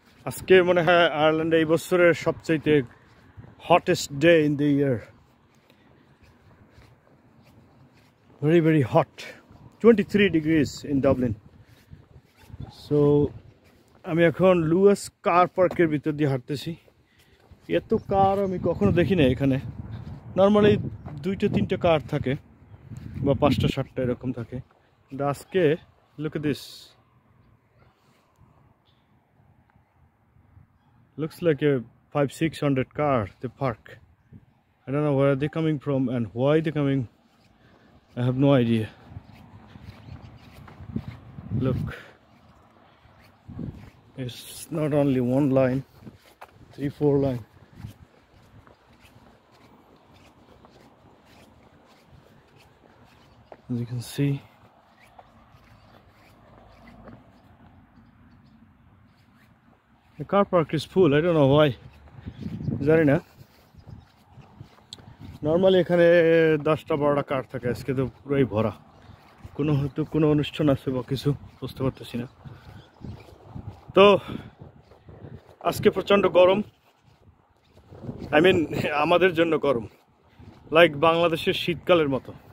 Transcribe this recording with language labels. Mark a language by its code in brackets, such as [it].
[bn] আজকে মনে হয় আয়ারল্যান্ডে এই বছরের সবচেয়ে hottest day [en] in the year, very very hot, [bn] 23 degrees in Dublin. So আমি এখন লুয়াস কার পার্কের ভিতর দিয়ে হাঁটতেছি। এত কার আমি কখনো দেখি না এখানে, নর্মালি 2টা 3টা কার থাকে বা 5টা 7টা এরকম থাকে। আজকে [en] Look at this, looks like a 500-600 car they park. I don't know where they're coming from and why they're coming, I have no idea. Look, it's not only one line, 3-4 line. As you can see, the car park is full, I don't know why. [bn] জানি না, normally এখানে 10টা 12টা কার থাকে, আজকে তো পুরোই ভরা। কোনো হয়তো কোনো অনুষ্ঠান আছে বা কিছু, বুঝতে পারতেছি না। তো আজকে প্রচণ্ড গরম, আই মিন আমাদের জন্য গরম, লাইক বাংলাদেশের শীতকালের মতো।